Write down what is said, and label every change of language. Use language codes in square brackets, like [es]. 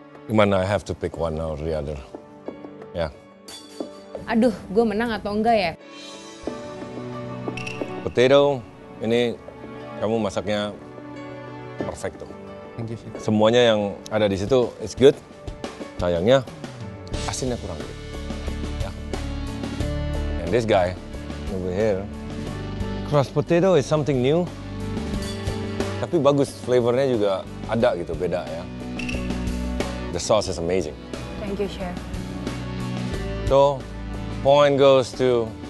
[id] Gimana, [en] I have to pick one or the other. Yeah. [id] Aduh, gue menang atau enggak ya? Potato, ini... Kamu masaknya perfect tuh. [en] Thank you, Chef. [id] Semuanya yang ada di situ [en] is good. [id] Sayangnya asinnya kurang. Ya. [en] Yeah. And this guy over here, crushed potato is something new. [id] Tapi bagus, flavornya juga ada gitu, beda ya. [en] The sauce is amazing. Thank you, Chef. So, point goes to.